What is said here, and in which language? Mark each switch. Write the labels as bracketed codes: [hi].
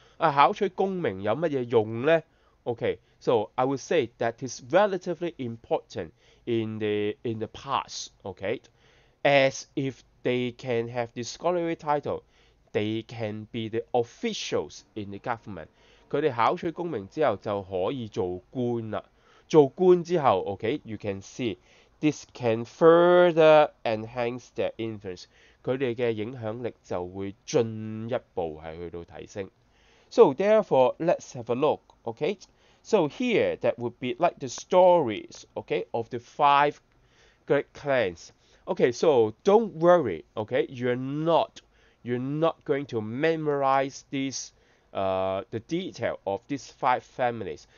[yue] 啊、考取功名有乜嘢用呢 [en] ？Okay, so I would say that is relatively important in the past. Okay, as if they can have the scholarly title, they can be the officials in the government. [yue] 佢哋考取功名之後就可以做官啦。做官之後 [en] ，okay, you can see this can further enhance their influence. [yue] 佢哋嘅影響力就會進一步係去到提升。 [en] So therefore, let's have a look, okay? So here, that would be like the stories, okay, of the five great clans. Okay, so don't worry, okay? You're not going to memorize this, the detail of these five families.